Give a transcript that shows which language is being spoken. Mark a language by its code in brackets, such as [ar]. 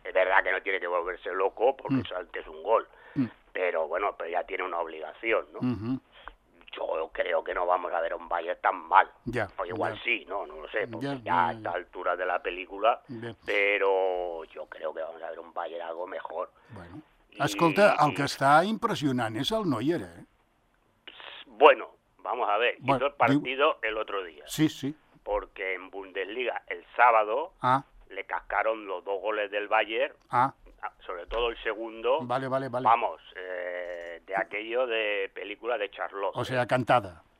[es] Es verdad que no tiene que volverse loco, porque uh-huh. Eso antes es un gol. Uh-huh. Pero bueno, pero ya tiene una obligación, ¿no? Uh-huh. Yo creo que no vamos a ver a un Bayern tan mal. Ya. O igual ya. Sí, no lo sé, porque ya a esta altura de la película, ya. Pero yo creo que vamos a ver un Bayern algo mejor. Bueno. [ca] Escolta, el que està impressionant és el Neuer, [es] Bueno, vamos a ver. Bueno, hizo el partido el otro día. Sí, sí. Porque en Bundesliga el sábado le cascaron los dos goles del Bayern. Ah. Sobre todo el segundo. Vale, vale, vale. Vamos, de aquello de película de Charlotte. O sea, cantada.